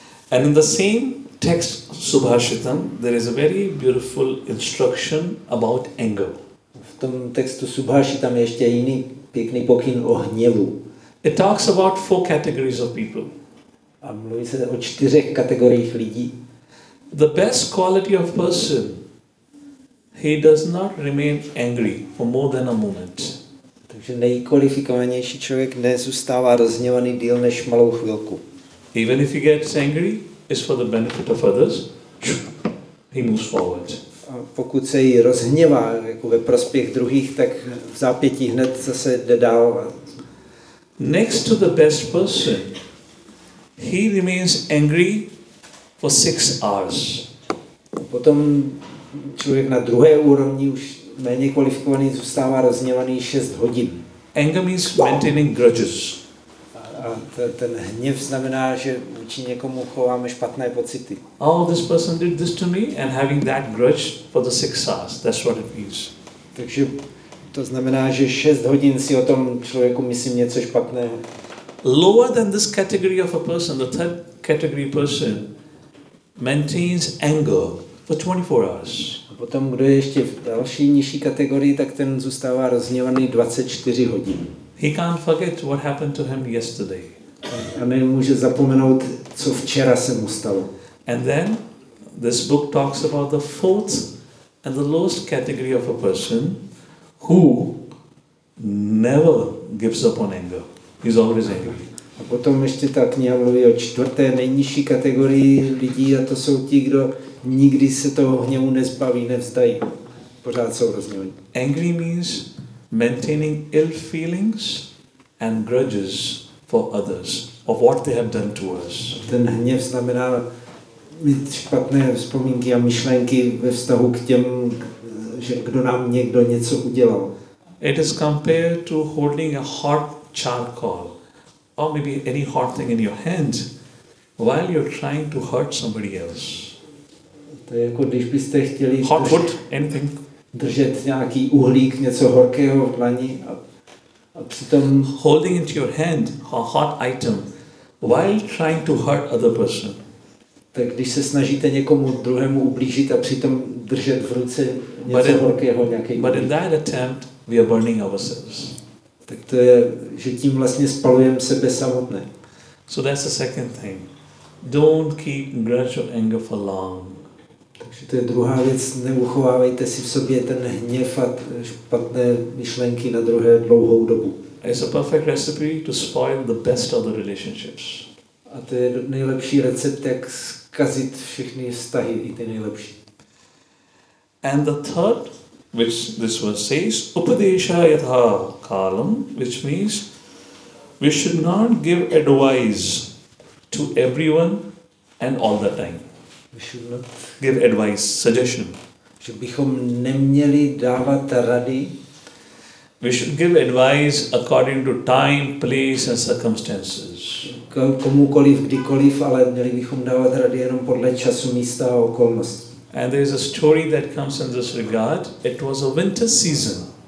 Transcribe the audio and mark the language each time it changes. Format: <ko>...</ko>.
<en>And in the same text Subhashitam, there is a very beautiful instruction about anger.</en> <cs>V tom textu Subhashitam je ještě jiný pěkný pokyn o hněvu.</cs> <en>It talks about 4 categories of people.</en> <cs>A mluví se o 4 kategoriích lidí.</cs> <en>The best quality of person, he does not remain angry for more than a moment.</en> <cs>Takže nejkvalifikovanější člověk nezůstává rozhněvaný díl než malou chvilku.</cs> <en>Even if he gets angry, it's for the benefit of others. He moves forward.</en> <cs>A pokud se jí rozhněvá jako ve prospěch druhých, tak v zápětí hned zase jde dál.</cs> <en>Next to the best person, he remains angry for 6 hours.</en> <cs>Potom člověk na druhé úrovni už méně kvalifikovaný zůstává rozhněvaný 6 hodin.</cs> <en>Anger means maintaining grudges.</en> <cs>A ten hněv znamená, že vůči někomu chováme špatné pocity.</cs> <en>Oh, this person did this to me and having that grudge for the 6 hours. That's what it means.</en> <cs>Takže to znamená, že 6 hodin si o tom člověku myslím něco špatného.</cs> <en>Lower than this category of a person, the third category person, maintains anger for 24 hours.</en> <cs>A potom, kdo je ještě v další nižší kategorii, tak ten zůstává rozhněvaný 24 hodin.</cs> <en>He can't forget what happened to him yesterday.</en> <cs>A nemůže zapomenout, co včera se mu stalo.</cs> <en>And then, this book talks about the fourth and the lowest category of a person who never gives up on anger. He's always angry.</en> <cs>A potom ještě ta kniha mluví o čtvrté nejnižší kategorii lidí a to jsou ti, kdo nikdy se toho hněvu nezbaví, nevzdají. Pořád jsou rozhněvaní.</cs> <en>Angry means maintaining ill feelings and grudges for others of what they have done to us.</en> <cs>Ten hněv znamená mít špatné vzpomínky a myšlenky ve vztahu k těm, že kdo nám někdo něco udělal.</cs> <en>It is compared to holding a hot charcoal or maybe any hot thing in your hand while you're trying to hurt somebody else.</en> <cs>To je jako když byste chtěli</cs> <en>hot wood, anything.</en> <cs>Držet nějaký uhlík, něco horkého v dlani a přitom</cs> <en>holding into your hand a hot item while trying to hurt other person.</en> <cs>Tak když se snažíte někomu druhému ublížit a přitom držet v ruce něco horkého, nějaký</cs> <en>uhlík. But in that attempt we are burning ourselves.</en> <cs>Tak to je, že tím vlastně spalujeme sebe samotné.</cs> <en>So that's the second thing. Don't keep grudge or anger for long.</en> <cs>Takže to je druhá věc, neuchovávejte si v sobě ten hněv a špatné myšlenky na druhé dlouhou dobu.</cs> <en>It's a perfect recipe to spoil the best of the relationships.</en> <cs>A to je nejlepší recept, jak zkazit všechny vztahy, i ty nejlepší.</cs> <en>And the third, which this verse says,</en> <sa>upadesha yatha kalam,</sa> <en>which means we should not give advice to everyone and all the time. We should not give advice, suggestion.</en> <cs>Že bychom neměli dávat rady.</cs> <en>We should give advice according to time, place and circumstances.</en> <cs>Komukoliv, kdykoliv, ale měli bychom dávat rady jenom podle času, místa a okolností.</cs> <en>And there is a story that comes in this regard. It was a winter season.</en>